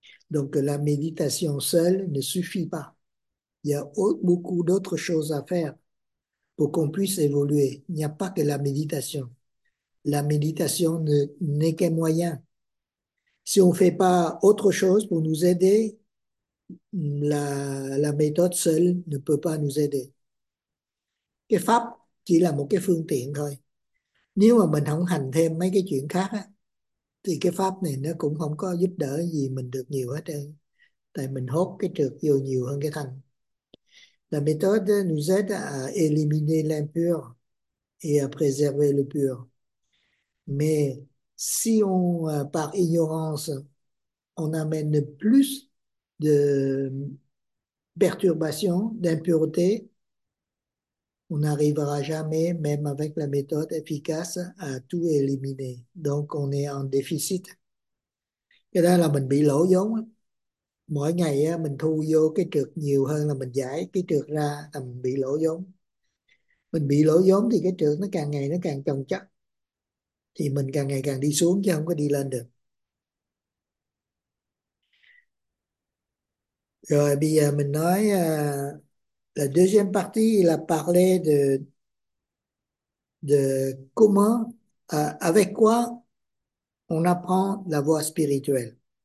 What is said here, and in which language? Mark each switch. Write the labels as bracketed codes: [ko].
[fr] Donc la méditation seule ne suffit pas. Il y a beaucoup d'autres choses à faire pour qu'on puisse évoluer. Il n'y a pas que la méditation. La méditation n'est qu'un moyen. Si on ne fait pas autre chose pour nous aider, la méthode seule ne peut pas nous aider. [vi] Cái pháp chỉ là một cái phương tiện thôi. Nếu mà mình không hành thêm mấy cái chuyện khác á, thì cái pháp này nó cũng không có giúp đỡ gì mình được nhiều hết trơn. Tại mình hốt cái trượt vô nhiều hơn cái thành. [fr] La méthode nous aide à éliminer l'impur et à préserver le pur. Mais si on, par ignorance, on amène plus de perturbations, d'impuretés, on n'arrivera jamais, même avec la méthode efficace, à tout éliminer. Donc, on est en déficit. [vi] Cái đó là mình bị lỗ vốn. Mỗi ngày mình thu vô cái trượt nhiều hơn là mình giải cái trượt ra là mình bị lỗ vốn. Mình bị lỗ vốn thì cái trượt nó càng ngày nó càng chồng chất. Thì mình càng ngày càng đi xuống chứ không có đi lên được. Rồi bây giờ mình nói [fr] la deuxième partie, il a parlé de comment, avec quoi on apprend la voie spirituelle.